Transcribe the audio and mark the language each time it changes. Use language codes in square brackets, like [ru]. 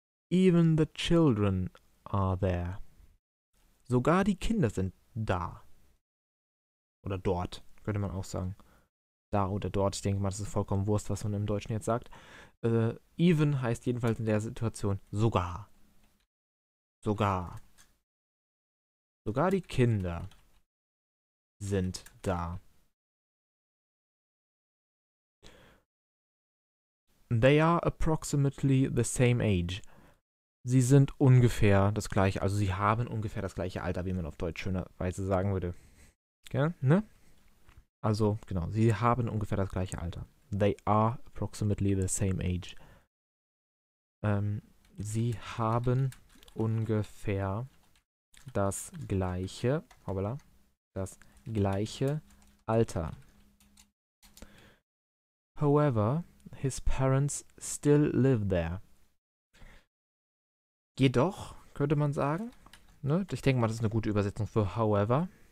[en] Even the children are there. [de] Sogar die Kinder sind da. Oder dort, könnte man auch sagen. Da oder dort, ich denke mal, das ist vollkommen Wurst, was man im Deutschen jetzt sagt. Even heißt jedenfalls in der Situation sogar. Sogar. Sogar die Kinder sind da. [en] They are approximately the same age. [de] Sie sind ungefähr das gleiche, also sie haben ungefähr das gleiche Alter, wie man auf Deutsch schönerweise sagen würde. Okay, ne? Also, genau, sie haben ungefähr das gleiche Alter. [en] They are approximately the same age. [de] Sie haben ungefähr das gleiche, hoppala, das gleiche Alter. [en] However, his parents still live there. [de] Jedoch, könnte man sagen, ne? Ich denke mal, das ist eine gute Übersetzung für however.